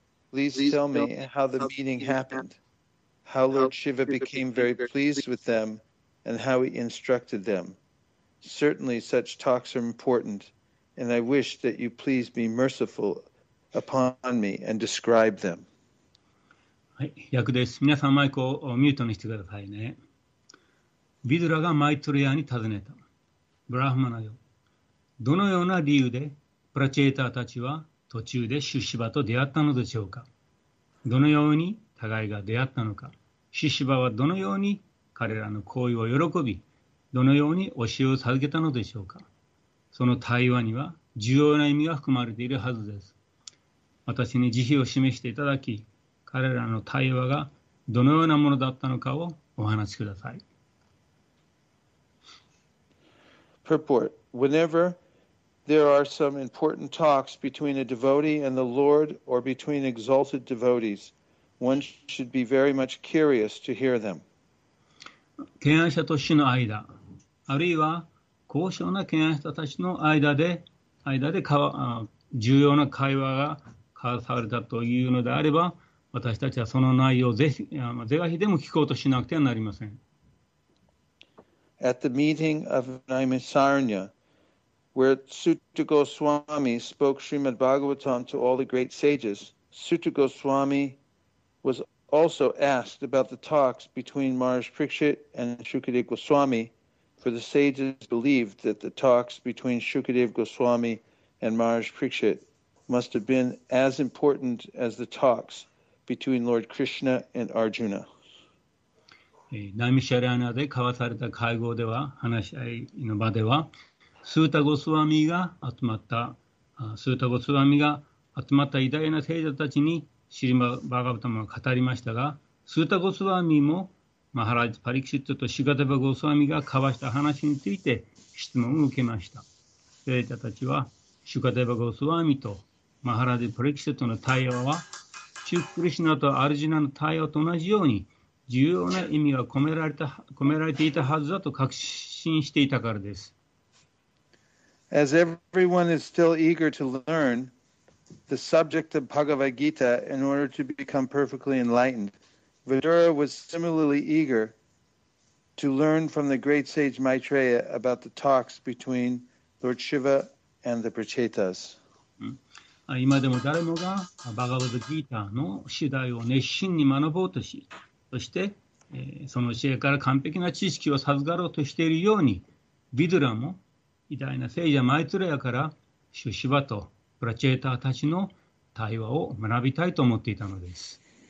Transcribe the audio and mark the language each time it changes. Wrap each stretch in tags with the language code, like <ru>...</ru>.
<en>Please tell me how the meeting happened. How Lord Shiva became very pleased with them and how he instructed them. Certainly such talks are important, and I wish that you please be merciful upon me and describe them.</en> <ja>はい、訳です。皆さんマイクをミュートにしてくださいね。ビドゥラがマイトレヤに尋ねた。ブラハマナよ。どのような理由でプラチェーターたちは途中でシュシバと出会ったのでしょうか。どのように互いが出会ったのか、シシバはどのように彼らの行為を喜び、どのように教えを授けたのでしょうか。その対話には重要な意味が含まれているはずです。私に慈悲を示していただき、彼らの対話がどのようなものだったのかをお話しください。</ja> <en>Purport: Whenever there are some important talks between a devotee and the Lord or between exalted devotees,One should be very much curious to hear them.</en> <ja>権威者と主の間、あるいは高尚な権威者たちの間で重要な会話が交わされたというのであれば、私たちはその内容をぜひでも聞こうとしなくてはなりません。</ja> <en>At the meeting of Naimisarnya, where Sutta Goswami spoke Srimad Bhagavatam to all the great sages, Sutta Goswami. Was also asked about the talks between Maharaj Parikshit and Shukadev Goswami, for the sages believed that the talks between Shukadev Goswami and Maharaj Parikshit must have been as important as the talks between Lord Krishna and Arjuna.</en> <ja>ナミシャリアナで交わされた会合では、話し合いの場では、スータゴスワミが集まった、スータゴスワミが集まった偉大な聖者たちにシリマ・バガブタマは語りましたが、スータゴスワミもマハラジ・パリキシットとシガタバ・ゴスワミが交わした話について質問を受けました。聖者たちは、シガタバ・ゴスワミとマハラジ・パリキシットの対話は、シュク・クリシナとアルジナの対話と同じように、重要な意味が込められていたはずだと確信していたからです。</ja> <en>As everyone is still eager to learn the subject of Bhagavad Gita in order to become perfectly enlightened, Vidura was similarly eager to learn from the great sage Maitreya about the talks between Lord Shiva and the Prachetas.</en> <ja>今でも誰もがバガヴァッド・ギーターの次第を熱心に学ぼうとし、そして、その教えから完璧な知識を授かろうとしているように、ヴィドゥラも偉大な聖者マイトレヤからシュシバとプラチェーターたちの対話を学びたいと思っていたのです。</ja>